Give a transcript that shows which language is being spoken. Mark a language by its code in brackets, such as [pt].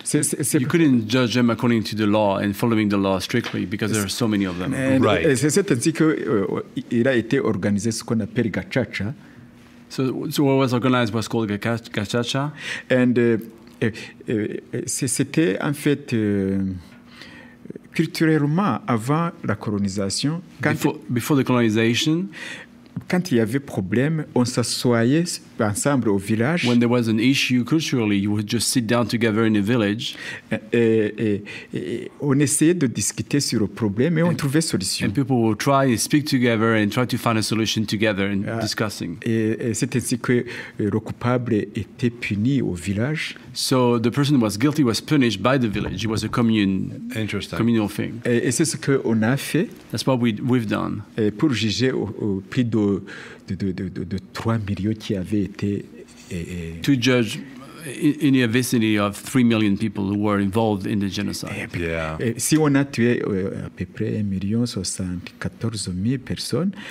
[en] You couldn't judge them according to the law and following the law strictly because there are so many of them. Right. [fr] C'est ainsi que il a été organisé ce qu'on appelle gachacha. [en] So what was organized was called gachacha, and [fr] c'était en fait. Culturellement, avant la colonisation, [en] before the colonization, [fr] quand il y avait problème, on s'assoyait ensemble au village. [en] When there was an issue culturally, you would just sit down together in a village. [fr] Et on essayait de discuter sur le problème et on trouvait solution. [en] And people would try and speak together and try to find a solution together and discussing. [fr] Et c'est ainsi que le coupable était puni au village. [en] So the person who was guilty was punished by the village. It was a commune. Interesting. Communal thing. [fr] Et c'est ce que on a fait. [en] That's what we've done. [fr] Et pour juger au prix de 3 millions qui avaient été... [en] To judge in the vicinity of 3 million people who were involved in the genocide. [fr] Si on a tué à peu près 1 million 74 000 personnes,